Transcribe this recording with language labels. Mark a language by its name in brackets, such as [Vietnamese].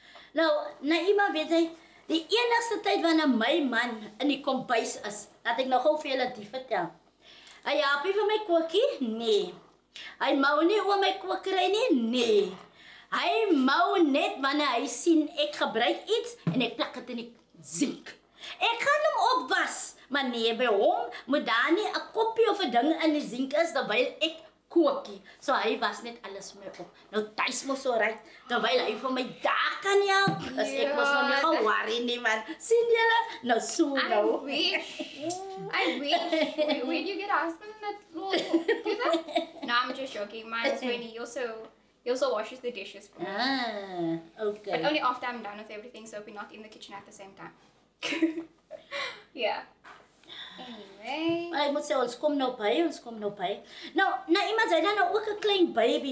[Afrikaans] Nou, Naeemah, weet jy, die enigste tyd wanneer my man in die kombuis is, laat ek nogal vir julle die vertel. Hy help jy vir my kookie? Nee. Hy mou nie oor my kookery nie, nee. Hy mou net wanneer hy sien ek gebruik iets en ek plak het in die zink. Ek gaan hom opwas, maar nee, by hom moet daar nie een kopje of een ding in die zink is terwyl ek kookie. So hy was net alles vir my op. Nou thuis moet so ruik, terwyl hy vir my daar kan help. Dus ek was nog nie gaan worry nie, man. Sien julle? Nou so nou. [English] I wish. When you get husband, that will do that. No, I'm just joking. Mine is when he also, He also washes the dishes for me. Ah, okay. But only after I'm done with everything, so we're not in the kitchen at the same time. Anyway. [Afrikaans] Ek moet sê ons kom nou by, ons kom nou by. Nou, Naeemah, jy dan nou ook 'n klein baby.